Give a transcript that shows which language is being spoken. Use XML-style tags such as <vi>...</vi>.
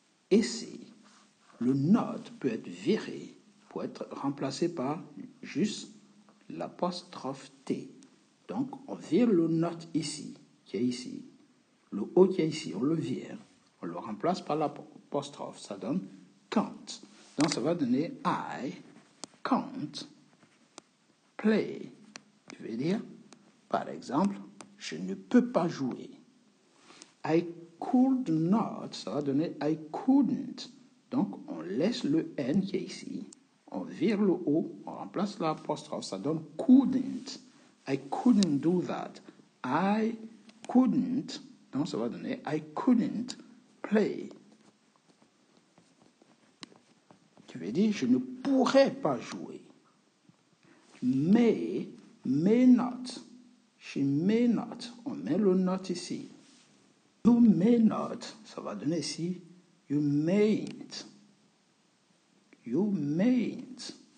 <fr>Et si le not peut être viré pour être remplacé par juste l'apostrophe T. Donc, on vire le not ici, qui est ici. Le O qui est ici, on le vire. On le remplace par l'apostrophe. Ça donne can't. Donc, ça va donner</fr> <en>I can't play.</en> <fr>Je veux dire, par exemple, je ne peux pas jouer.</fr> <en>I could not.</en> <fr>Ça va donner</fr> <en>I couldn't.</en> <fr>Donc, on laisse le N qui est ici. On vire le O, on remplace l'apostrophe, ça donne couldn't.</fr> <en>I couldn't do that. I couldn't,</en> <fr>non, ça va donner,</fr> <en>I couldn't play.</en> <fr>Tu veux dire, je ne pourrais pas jouer.</fr> <en>May not. She may not.</en> <fr>On met le not ici.</fr> <en>You may not.</en> <fr>Ça va donner ici.</fr> <en>You mayn't. You mayn't.</en>